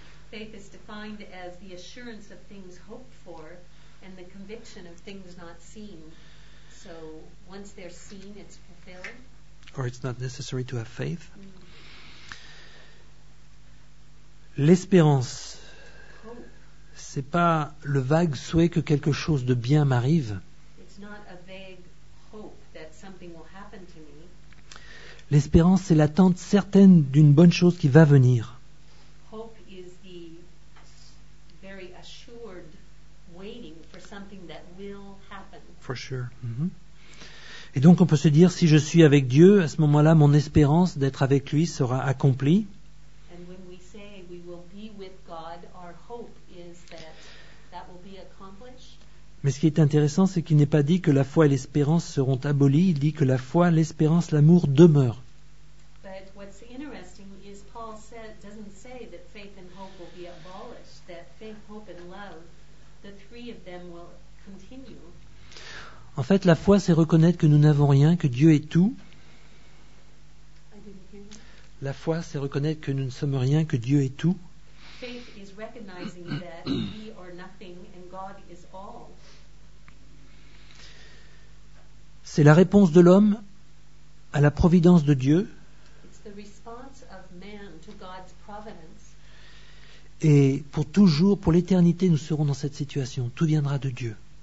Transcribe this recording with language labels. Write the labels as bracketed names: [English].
[English] Faith is defined as the assurance of things hoped for and the conviction of things not seen. So, once they're seen, it's fulfilled. Or it's not necessary to have faith. [French] L'espérance, c'est pas le vague souhait que quelque chose de bien m'arrive. [English] It's not a vague hope that something will happen to me. [French] L'espérance, c'est l'attente certaine d'une bonne chose qui va venir. [English] Hope is the very assured waiting for something that will happen. For sure. Mm-hmm. [French] Et donc on peut se dire, si je suis avec Dieu, à ce moment-là, mon espérance d'être avec lui sera accomplie. [English] And when we say we will be with God, our hope is that will be accomplished. [French] Mais ce qui est intéressant, c'est qu'il n'est pas dit que la foi et l'espérance seront abolies, il dit que la foi, l'espérance, l'amour demeurent. [English] But what's interesting is Paul doesn't say that faith and hope will be abolished, that faith, hope and love, the three of them will continue. [French] En fait, la foi, c'est reconnaître que nous n'avons rien, que Dieu est tout. La foi, c'est reconnaître que nous ne sommes rien, que Dieu est tout. [English] Faith is recognizing that we are nothing and God is all. [French] C'est la réponse de l'homme à la providence de Dieu. [English] It's the response of man to God's providence. [French] Et pour toujours, pour l'éternité, nous serons dans cette situation. Tout viendra de Dieu.